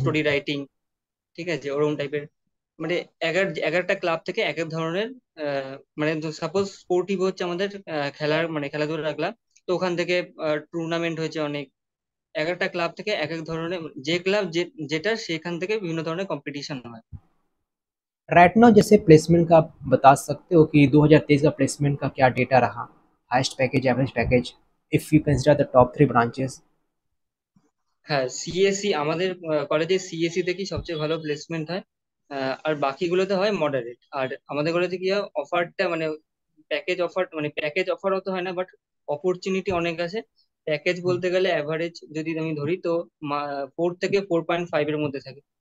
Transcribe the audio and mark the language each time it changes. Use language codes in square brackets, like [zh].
[bn] Story writing, ঠিক আছে, ওরকম টাইপের, মানে 11টা ক্লাব থেকে এক এক ধরনের, মানে সাপোজ স্পোর্টিভ হচ্ছে আমাদের খেলার, মানে খেলাধুলা রাখলাম, তো ওখান থেকে টুর্নামেন্ট হয়েছে অনেক, 11টা ক্লাব থেকে এক এক ধরনের, যে ক্লাব যেটা সেখান থেকে বিভিন্ন ধরনের কম্পিটিশন হয়। [en] right now [hi] जैसे प्लेसमेंट का बता सकते हो कि 2023 का प्लेसमेंट का क्या डेटा रहा, highest package, average package, [en] If you consider the top three branches? [bn] হ্যাঁ, সিএসসি আমাদের কলেজে, সিএসসি দেখি সবচেয়ে ভালো প্লেসমেন্ট হয়, আর বাকিগুলোতে হয় মডারেট। আর আমাদের কলেজে কি হয়, অফারটা মানে প্যাকেজ অফার, মানে প্যাকেজ অফার অত হয় না, বাট অপরচুনিটি অনেক আছে। প্যাকেজ বলতে গেলে অ্যাভারেজ যদি আমি ধরি তো 4 থেকে 4.5 এর মধ্যে থাকে।